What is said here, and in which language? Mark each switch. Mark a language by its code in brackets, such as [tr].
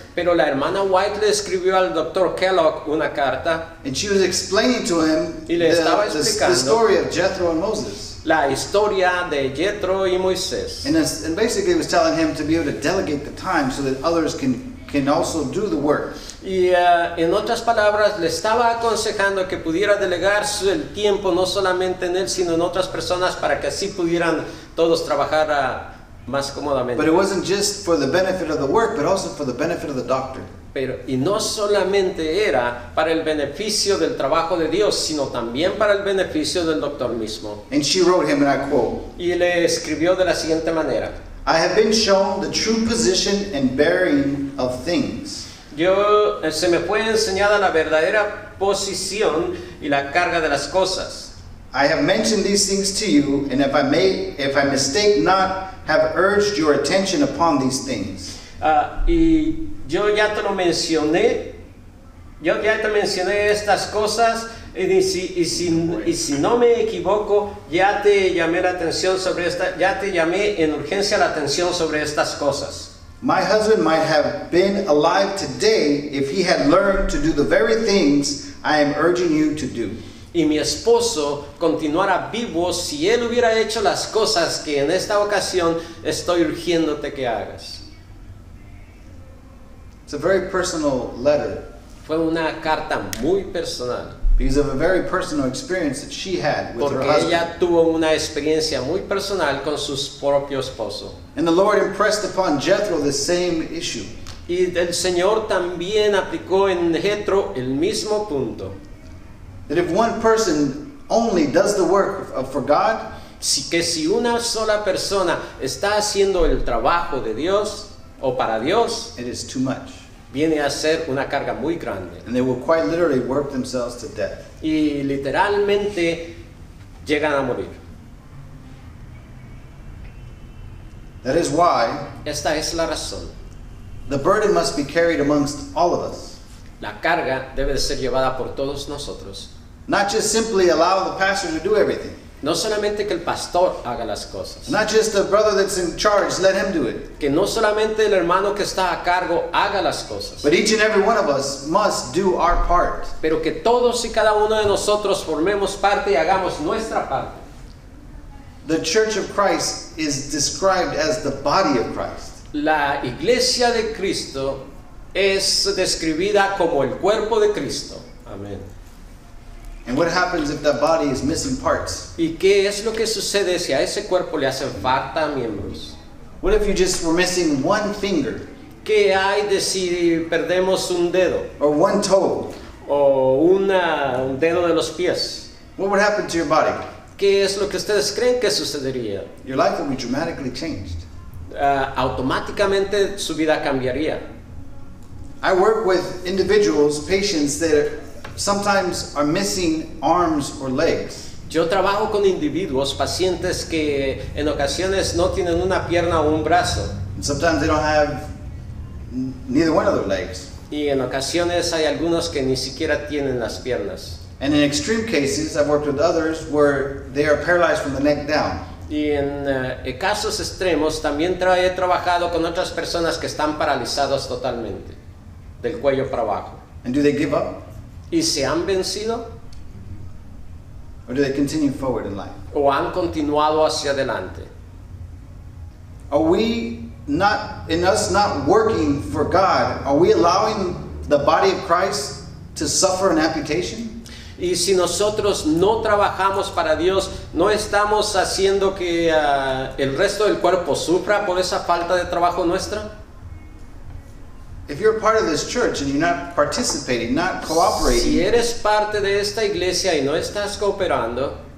[es] Pero la hermana White le escribió al Dr. Kellogg una carta. [en] And she was explaining to him the story of Jethro and Moses. [es] La historia de Jethro y Moisés. [en] And basically was telling him to be able to delegate the time so that others can also do the work. [es] Y en otras palabras, le estaba aconsejando que pudiera delegar el tiempo no solamente en él, sino en otras personas para que así pudieran todos trabajar más cómodamente. [en] But it wasn't just for the benefit of the work, but also for the benefit of the doctor. [es] Pero, y no solamente era para el beneficio del trabajo de Dios, sino también para el beneficio del doctor mismo. [en] And she wrote him, and I quote, [es] y le escribió de la siguiente manera. [en] I have been shown the true position and bearing of things. [es] Yo, se me fue enseñada la verdadera posición y la carga de las cosas. [en] I have mentioned these things to you, and if I mistake not, have urged your attention upon these things. [es] Y yo ya te lo mencioné. Yo ya te mencioné estas cosas. Y si no me equivoco, ya te llamé la atención sobre esta. Ya te llamé en urgencia la atención sobre estas cosas. [en] My husband might have been alive today if he had learned to do the very things I am urging you to do. [es] Y mi esposo continuara vivo si él hubiera hecho las cosas que en esta ocasión estoy urgiéndote que hagas. [en] It's a very personal letter. [es] Fue una carta muy personal. [en] Because of a very personal experience that she had with [es] Porque [en] her husband. [es] Porque ella tuvo una experiencia muy personal con su propio esposo. [en] And the Lord impressed upon Jethro the same issue. [es] Y el Señor también aplicó en Jethro el mismo punto. [en] That if one person only does the work for God, [es] que si una sola persona está haciendo el trabajo de Dios o para Dios, [en] it is too much. [es] Viene a ser una carga muy grande. [en] And they will quite literally work themselves to death. [es] Y literalmente llegan a morir. [en] That is why. [es] Esta es la razón. [en] The burden must be carried amongst all of us. [es] La carga debe de ser llevada por todos nosotros. [en] Not just simply allow the pastor to do everything. [es] No solamente que el pastor haga las cosas. [en] Not just the brother that's in charge, let him do it. [es] Que no solamente el hermano que está a cargo haga las cosas. [en] But each and every one of us must do our part. [es] Pero que todos y cada uno de nosotros formemos parte y hagamos nuestra parte. [en] The Church of Christ is described as the body of Christ. [es] La Iglesia de Cristo es describida como el cuerpo de Cristo. Amén. [en] And what happens if that body is missing parts? [es] ¿Y qué es lo que sucede si a ese cuerpo le hacen falta miembros? [en] What if you just were missing one finger? [es] ¿Qué hay de si perdemos un dedo? [en] Or one toe? [es] O un dedo de los pies. [en] What would happen to your body? [es] ¿Qué es lo que ustedes creen que sucedería? [en] Your life would be dramatically changed. [es] Automáticamente su vida cambiaría. [en] I work with individuals, patients that sometimes are missing arms or legs. [es] Yo trabajo con individuos, pacientes que en ocasiones no tienen una pierna o un brazo. [en] Sometimes they don't have neither one of their legs. [es] Y en ocasiones hay algunos que ni siquiera tienen las piernas. [en] And in extreme cases, I've worked with others where they are paralyzed from the neck down. [es] Y en casos extremos, también he trabajado con otras personas que están paralizados totalmente, del cuello para abajo. [en] And do they give up? [es] ¿Y se han vencido? [en] Or do they continue forward in life? [es] ¿O han continuado hacia adelante? [en] Are we not, in us not working for God, are we allowing the body of Christ to suffer an amputation? [es] Y si nosotros no trabajamos para Dios, ¿no estamos haciendo que el resto del cuerpo sufra por esa falta de trabajo nuestra? [en] If you're part of this church and you're not participating, not cooperating, [es] si eres parte de esta iglesia y no estás cooperando,